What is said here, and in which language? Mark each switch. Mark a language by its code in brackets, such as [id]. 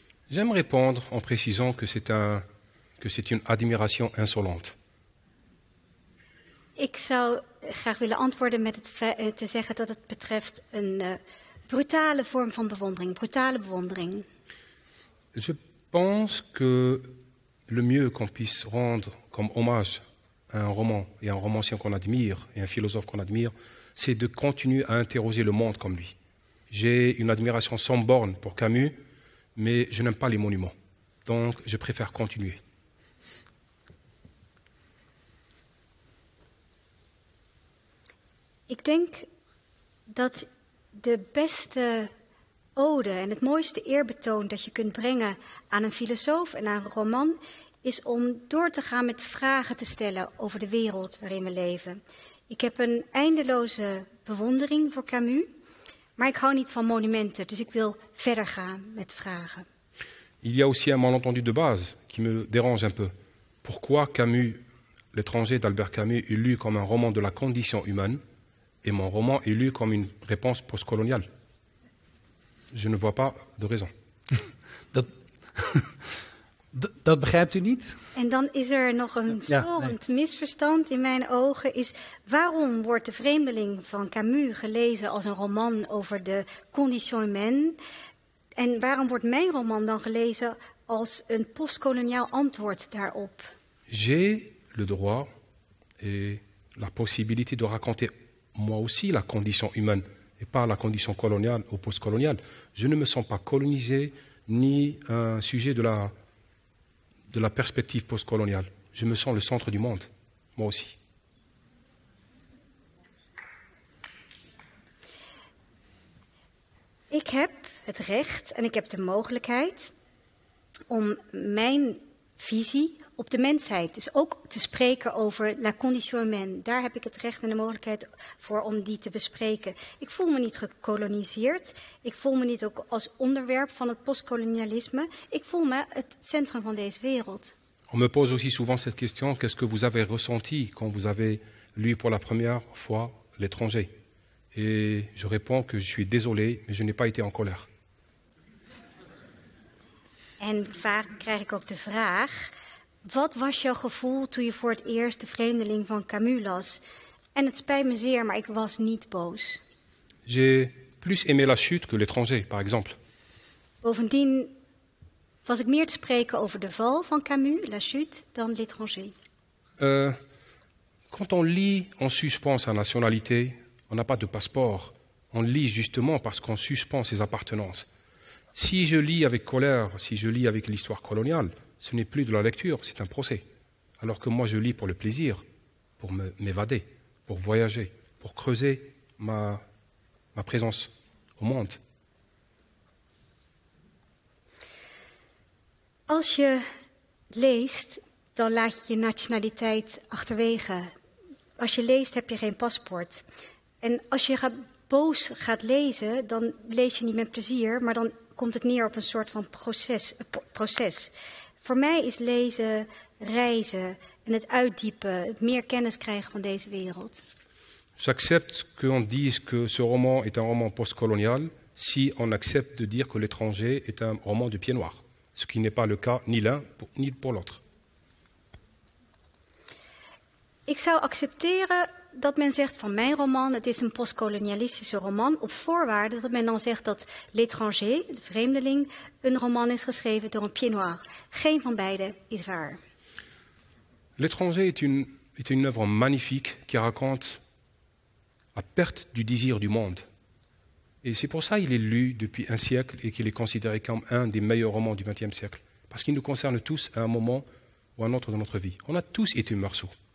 [fr] J'aime répondre en précisant que c'est une admiration insolente. [nl] Ik zou graag willen antwoorden met te zeggen dat het betreft een brutale vorm van bewondering. Brutale bewondering. [fr] Je pense que le mieux qu'on puisse rendre comme hommage à un roman et à un romancier qu'on admire et un philosophe qu'on admire, c'est de continuer à interroger le monde comme lui. J'ai une admiration sans borne pour Camus, mais je n'aime pas les monuments. Donc, je préfère continuer. [nl] Ik denk dat de beste ode en het mooiste eerbetoon dat je kunt brengen aan een filosoof en aan een roman is om door te gaan met vragen te stellen over de wereld waarin we leven. Ik heb een eindeloze bewondering voor Camus, maar ik hou niet van monumenten, dus ik wil verder gaan met vragen. [fr] Il y a aussi un malentendu de base qui me dérange un peu. Pourquoi Camus, L'étranger d'Albert Camus, est lu comme un roman de la condition humaine et mon roman est lu comme une réponse postcoloniale? Je ne vois pas de raison. [nl] Dat begrijpt u niet? En dan is er nog een storend misverstand in mijn ogen. Is waarom wordt De Vreemdeling van Camus gelezen als een roman over de [fr] condition humaine? [nl] En waarom wordt mijn roman dan gelezen als een postkoloniaal antwoord daarop? [fr] J'ai le droit et la possibilité de raconter moi aussi la condition humaine et pas la condition coloniale ou postcoloniale. Je ne me sens pas colonisé ni un sujet de la perspective postcoloniale. Je me sens le centre du monde, moi aussi. [nl] Ik heb het recht en ik heb de mogelijkheid om mijn visie op de mensheid, dus ook te spreken over [fr] la condition humaine. [nl] Daar heb ik het recht en de mogelijkheid voor om die te bespreken. Ik voel me niet gekoloniseerd. Ik voel me niet ook als onderwerp van het postkolonialisme. Ik voel me het centrum van deze wereld. [fr] On me pose aussi souvent cette question, qu'est-ce que vous avez ressenti quand vous avez lu pour la première fois l'étranger? Et je réponds que je suis désolé, mais je n'ai pas été en colère. [nl] En vaak krijg ik ook de vraag, wat was jouw gevoel toen je voor het eerst de vreemdeling van Camus las? En het spijt me zeer, maar ik was niet boos. [fr] J'ai plus aimé la chute que l'étranger, par exemple. [nl] Bovendien was ik meer te spreken over de val van Camus, la chute, dan l'étranger. [fr] Quand on lit en suspens sa nationalité, on n'a pas de passeport. On lit justement parce qu'on suspend ses appartenances. Si je lis avec colère, si je lis avec l'histoire coloniale, ce n'est plus de la lecture, c'est un procès. Alors que moi, je lis pour le plaisir, pour m'évader, pour voyager, pour creuser ma présence au monde. [nl] Als je leest, dan laat je nationaliteit achterwege. Als je leest, heb je geen paspoort. En als je boos gaat lezen, dan lees je niet met plezier, maar dan komt het neer op een soort van proces. Voor mij is lezen, reizen en het uitdiepen, het meer kennis krijgen van deze wereld. [fr] J'accepte qu'on dise que ce roman est un roman postcolonial si on accepte de dire que l'étranger est un roman de pied noir, ce qui n'est pas le cas ni l'un ni pour l'autre. [nl] Ik zou accepteren dat men zegt van mijn roman, het is een postkolonialistische roman, op voorwaarde dat men dan zegt dat L'étranger, de vreemdeling, een roman is geschreven door een pied noir. Geen van beide is waar. [fr] L'étranger est une œuvre magnifique qui raconte la perte du désir du monde. Et c'est pour ça qu'il est lu depuis un siècle et qu'il est considéré comme un des meilleurs romans du XXe siècle. Parce qu'il nous concerne tous à un moment ou à un autre de notre vie. On a tous été morceaux.